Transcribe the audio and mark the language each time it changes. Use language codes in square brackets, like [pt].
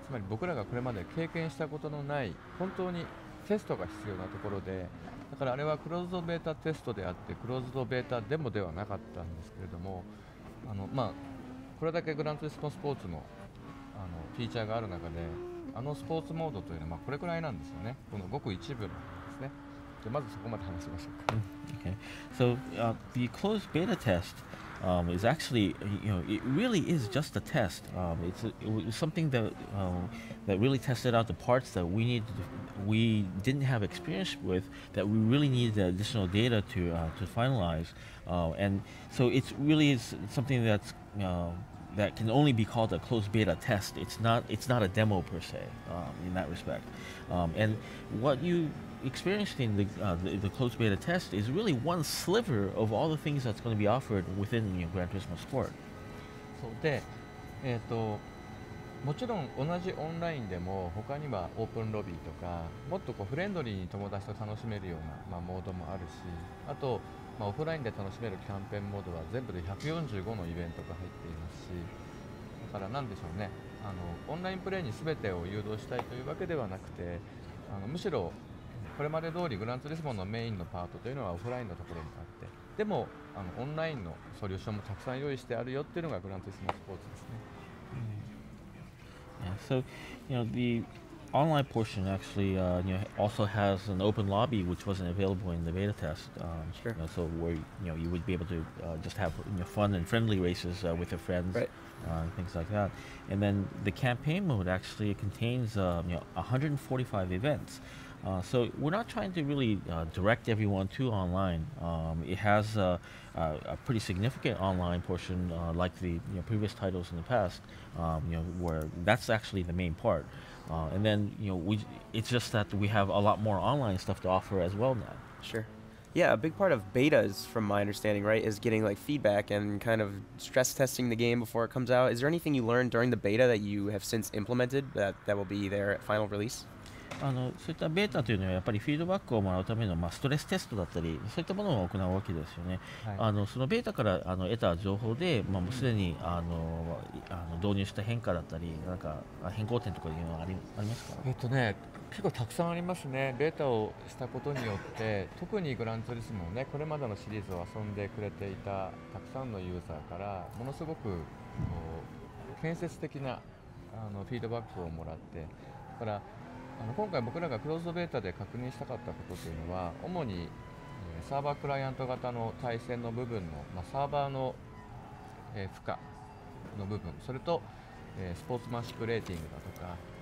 [ja] つまり僕らがこれまで経験したことのない本当にテストが必要なところで、だからあれはクローズドベータテストであってクローズドベータデモではなかったんですけれども、あの、まあ、これだけグランツーリスモスポーツ のフィーチャーがある中で、あのスポーツモードというのは、まあ、これくらいなんですよね。このごく一部なんですね。じゃまずそこまで話しましょうか。 [en] Okay. So, the closed beta testis actually, you know, it really is just a test. It's something that, that really tested out the parts that we needed, we didn't have experience with, that we really needed the additional data to finalize. And so it really is something that's, that can only be called a closed beta test. It's not a demo per se, in that respect. And what youExperienced in the closed beta test is really one sliver of all the things that's going to be offered within your Gran Turismo Sport. [ja] So, で、もちろん同じオンラインでも他にはオープンロビーとか、もっとこうフレンドリーに友達と楽しめるような、まあ、モードもあるし、あと、まあ、オフラインで楽しめるキャンペーンモードは全部で145のイベントが入っていますし、だからなんでしょうね、あの、オンラインプレイに全てを誘導したいというわけではなくて、あの、むしろこれまで通りグランツーリスモのメインのパートというのはオフラインのところにあって、でもあのオンラインのソリューションもたくさん用意してあるよっていうのがグランツーリスモスポーツですね。 [en] Yeah. So, you know, the online portion actually, you know, also has an open lobby which wasn't available in the beta test. Sure. You know, so where you know you would be able to just have you know, fun and friendly races with your friends. Right. Things like that. And then the campaign mode actually contains you know, 145 events. So we're not trying to really direct everyone to online. It has a pretty significant online portion like the you know, previous titles in the past, you know, where that's actually the main part. And then you know, it's just that we have a lot more online stuff to offer as well now. Sure. Yeah, a big part of betas, from my understanding, right, is getting like feedback and kind of stress testing the game before it comes out. Is there anything you learned during the beta that you have since implemented that will be their final release? [ja] あの、そういったベータというのはやっぱりフィードバックをもらうための、まあ、ストレステストだったり、そういったものを行うわけですよね。はい、あの、そのベータからあの得た情報で、まあ、もうすでにあの導入した変化だったり、なんか変更点とかいうのはありますか？ね、結構たくさんありますね。ベータをしたことによって、特にグランツーリスモをね、これまでのシリーズを遊んでくれていたたくさんのユーザーからものすごくこう建設的なあのフィードバックをもらって、だからあの今回僕らがクローズドベータで確認したかったことというのは、主にサーバークライアント型の対戦の部分の、まあ、サーバーの負荷の部分、それとスポーツマンシップレーティングだとか、